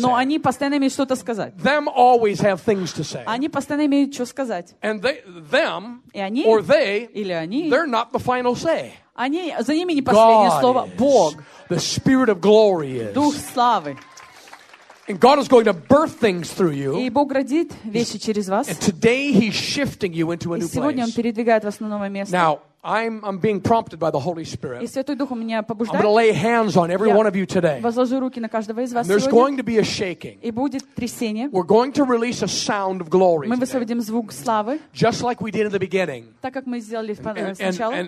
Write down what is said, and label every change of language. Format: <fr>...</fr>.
<ru>Но они постоянно имеют что-то сказать.</ru> <en>Them always have things to say.</en> <ru>Они постоянно имеют что сказать.</ru> <en>And they them</en> <ru>они,</ru> <en>or they</en> <ru>или они,</ru> <en>they're not the final say.</en> <ru>Они, за ними не последнее</ru> <en>God</en> <ru>слово. Бог.</ru> <en>Is. The spirit of glory is.</en> <ru>Дух славы.</ru> <en>And God is going to birth things through you.</en> <ru>И Бог родит вещи через вас.</ru> <en>And today he's shifting you into a new place.</en> <ru>И сегодня он передвигает вас на новое место.</ru> <en>Now, I'm being prompted by the Holy Spirit.</en> <ru>И Святой Дух у меня побуждает.</ru> <en>I'm going to lay hands on every</en> <ru>Я</ru> <en>one of you today.</en> <ru>Возложу руки на каждого из вас сегодня.</ru> <en>There's going to be a shaking.</en> <ru>И будет трясение.</ru> <en>We're going to release a sound of glory.</en> <ru>Мы высвободим звук славы.</ru> <en>Just like we did in the beginning.</en> <ru>Так как мы сделали в начале.</ru>